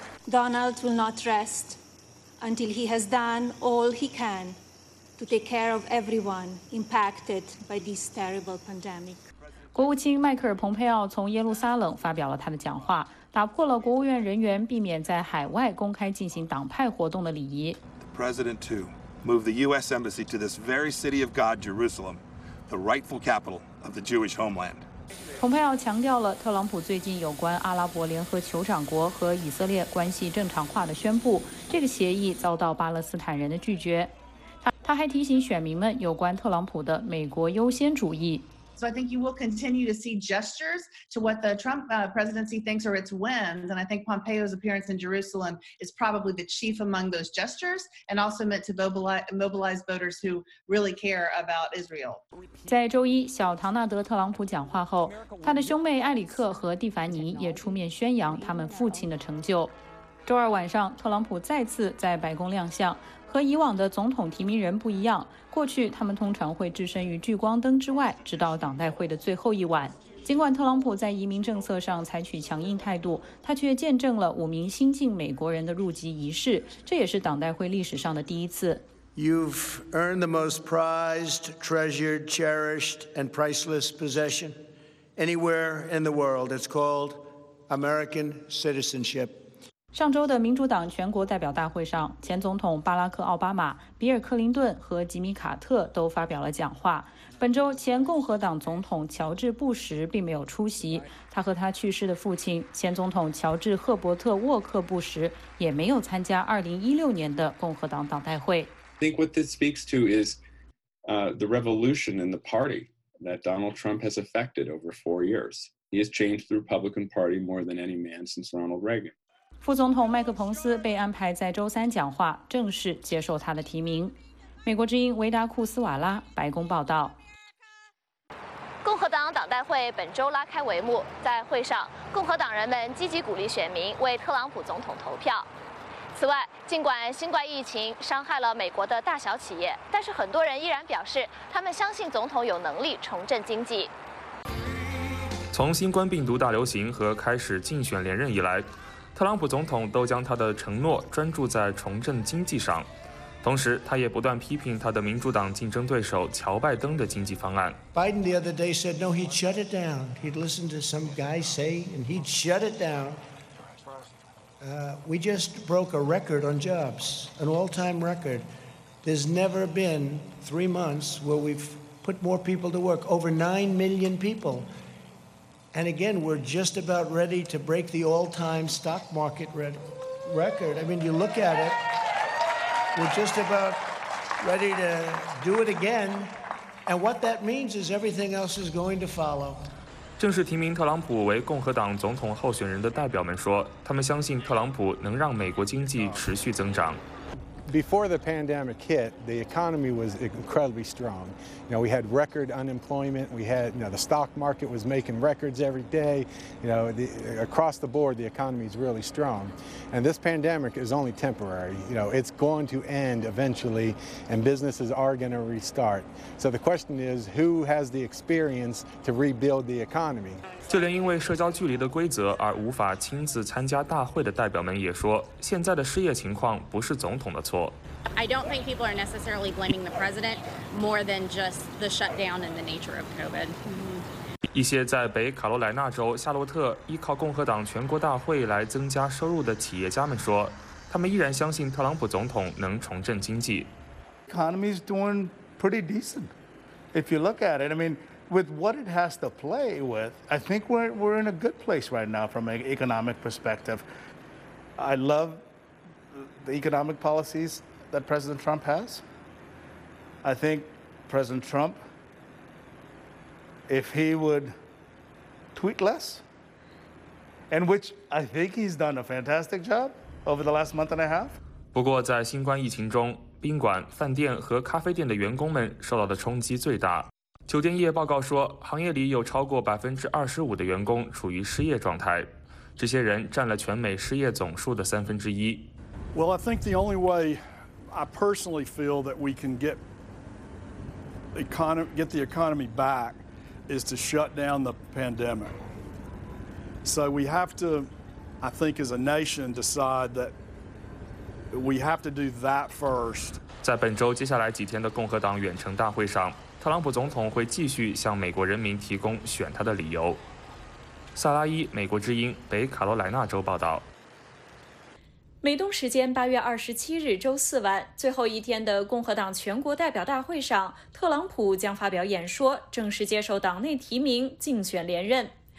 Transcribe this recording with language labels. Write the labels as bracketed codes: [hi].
[en] Donald will not rest until he has done all he can to take care of everyone impacted by this terrible pandemic. [zh] 国务卿迈克尔·蓬佩奥从耶路撒冷发表了他的讲话，打破了国务院人员避免在海外公开进行党派活动的礼仪。 [en] President too. Move the U.S. Embassy to this very city of God, Jerusalem, the rightful capital of the Jewish homeland. [zh] 蓬佩奥强调了特朗普最近有关阿拉伯联合酋长国和以色列关系正常化的宣布，这个协议遭到巴勒斯坦人的拒绝。他还提醒选民们有关特朗普的美国优先主义。 [en] So I think you will continue to see gestures to what the Trump presidency thinks are its whims. And I think Pompeo's appearance in Jerusalem is probably the chief among those gestures and also meant to mobilize voters who really care about Israel. [zh] 在周一，小唐纳德·特朗普讲话后，他的兄妹埃里克和蒂凡尼也出面宣扬他们父亲的成就。周二晚上，特朗普再次在白宫亮相。和以往的总统提名人不一样，过去他们通常会置身于聚光灯之外，直到党代会的最后一晚。尽管特朗普在移民政策上采取强硬态度，他却见证了五名新晋美国人的入籍仪式，这也是党代会历史上的第一次。 [en] You've earned the most prized, treasured, cherished, and priceless possession anywhere in the world. It's called American citizenship. [zh] 上周的民主党全国代表大会上，前总统巴拉克·奥巴马、比尔·克林顿和吉米·卡特都发表了讲话。本周前共和党总统乔治·布什并没有出席，他和他去世的父亲前总统乔治·赫伯特·沃克·布什也没有参加2016年的共和党党代会。 [en] I think what this speaks to is the revolution in the party that Donald Trump has effected over four years. He has changed the Republican Party more than any man since Ronald Reagan. [zh] 副总统麦克彭斯被安排在周三讲话，正式接受他的提名。美国之音维达库斯瓦拉白宫报道。共和党党代会本周拉开帷幕，在会上共和党人们积极鼓励选民为特朗普总统投票。此外，尽管新冠疫情伤害了美国的大小企业，但是很多人依然表示他们相信总统有能力重振经济。从新冠病毒大流行和开始竞选连任以来，特朗普总统都将他的承诺专注在重振经济上，同时他也不断批评他的民主党竞争对手乔拜登的经济方案。 [en] Biden the other day said, no, he'd shut it down. He'd listen to some guy say, and he'd shut it down. We just broke a record on jobs, an all-time record. There's never been 3 months where we've put more people to work, over 9 million people. And again, we're just about ready to break the all-time stock market record. I mean, you look at it, we're just about ready to do it again. And what that means is everything else is going to follow. [zh] 正式提名特朗普为共和党总统候选人的代表们说，他们相信特朗普能让美国经济持续增长。 [en] Before the pandemic hit, the economy was incredibly strong. You know, we had record unemployment. We had, you know, the stock market was making records every day. You know, across the board, the economy is really strong. And this pandemic is only temporary. You know, it's going to end eventually, and businesses are going to restart. So the question is, who has the experience to rebuild the economy? [zh] 就连因为社交距离的规则而无法亲自参加大会的代表们也说，现在的失业情况不是总统的错。 [en] I don't think people are necessarily blaming the president more than just the shutdown and the nature of COVID. [zh] 一些在北卡罗来纳州夏洛特依靠共和党全国大会来增加收入的企业家们说，他们依然相信特朗普总统能重振经济。 [en] Economy is doing pretty decent. If you look at it, I mean, with what it has to play with, I think we're in a good place right now from an economic perspective. I love. The economic policies that President Trump has. I think President Trump, if he would tweet less, and which I think he's done a fantastic job over the last month and a half. [zh] 不过在新冠疫情中，宾馆、饭店和咖啡店的员工们受到的冲击最大。酒店业报告说，行业里有超过25%的员工处于失业状态，这些人占了全美失业总数的三分之一。 [en] Well, I think the only way I personally feel that we can get the economy back is to shut down the pandemic. So we have to, I think, as a nation, decide that we have to do that first. [zh] 在本周接下来几天的共和党远程大会上，特朗普总统会继续向美国人民提供选他的理由。萨拉伊，美国之音，北卡罗来纳州报道。美东时间8月27日周四晚，最后一天的共和党全国代表大会上，特朗普将发表演说，正式接受党内提名竞选连任。